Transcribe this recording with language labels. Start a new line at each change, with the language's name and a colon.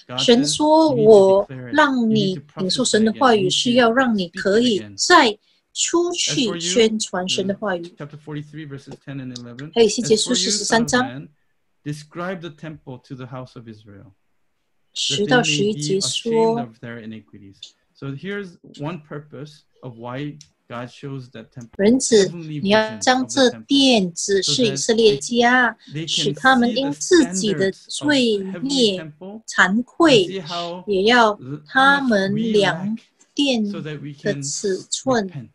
Chinese: 神说我让你领受神的话语是要让你可以再出去宣传神的话语。
English: Chapter 43 verses 10 and 11.
Chinese: 还有希结书十三章。
English: Describe the temple to the house of Israel.
Chinese: 十到十一节说。
English: So here's one purpose of why God shows that temple.
Chinese: 人子，你要将这殿指示以色列家，使他们因自己的罪孽惭愧，也要他们量殿的尺寸。